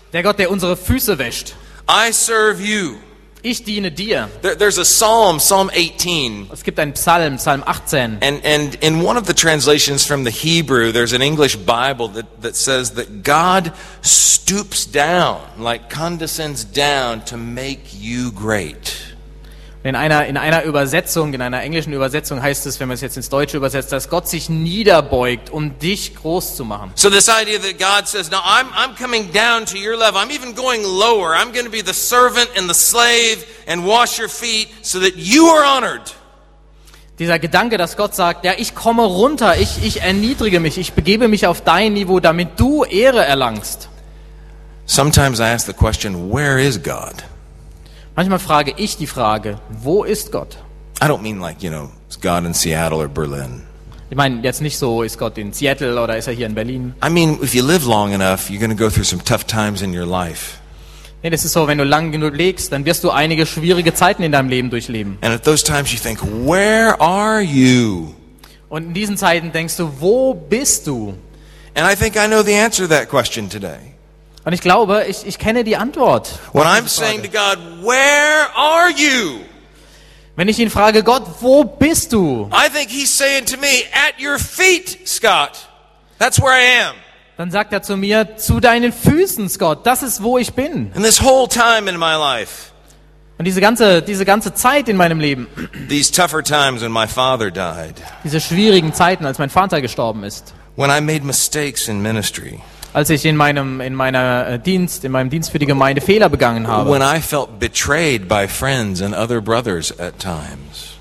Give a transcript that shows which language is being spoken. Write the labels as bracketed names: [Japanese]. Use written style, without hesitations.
[German] Der Gott, der unsere Füße wäscht. [English] I serve you. [German] Ich diene dir. [English] There's a Psalm 18. [German] Es gibt einen Psalm, Psalm 18. [English] And in one of the translations from the Hebrew, there's an English Bible that says that God stoops down, like condescends down to make you great. [German] In einer englischen Übersetzung heißt es, wenn man es jetzt ins Deutsche übersetzt, dass Gott sich niederbeugt, um dich groß zu machen. [English] So this idea that God says, now I'm coming down to your level. I'm even going lower. I'm going to be the servant and the slave and wash your feet so that you are honored. [German] Dieser Gedanke, dass Gott sagt, ja, ich komme runter, ich erniedrige mich, ich begebe mich auf dein Niveau, damit du Ehre erlangst. [English] Sometimes I ask the question, where is God? [German] Manchmal frage ich die Frage, wo ist Gott? [English] I don't mean like, you know, is God in Seattle or Berlin. [German] Ich meine jetzt nicht so, ist Gott in Seattle oder ist er hier in Berlin? [English] I mean, if you live long enough, you're going to go through some tough times in your life. [German] Nee, das ist so, wenn du lang genug legst, dann wirst du einige schwierige Zeiten in deinem Leben durchleben. [English] And at those times you think, where are you? [German] Und in diesen Zeiten denkst du, wo bist du? [English] And I think I know the answer to that question today. [German] Und ich glaube, ich kenne die Antwort. [English] When I'm saying to God, where are you? [German] Wenn ich ihn frage, Gott, wo bist du? [English] I think he's saying to me, at your feet, Scott. That's where I am. [German] Dann sagt er zu mir, zu deinen Füßen, Scott, das ist, wo ich bin. [English] And this whole time in my life. [German] Und diese ganze Zeit in meinem Leben. [English] These tougher times when my father died. [German] Diese schwierigen Zeiten, als mein Vater gestorben ist. [English] When I made mistakes in ministry. [German] Als ich in meinem Dienst für die Gemeinde Fehler begangen habe. [English] When I felt betrayed by friends and other brothers at times.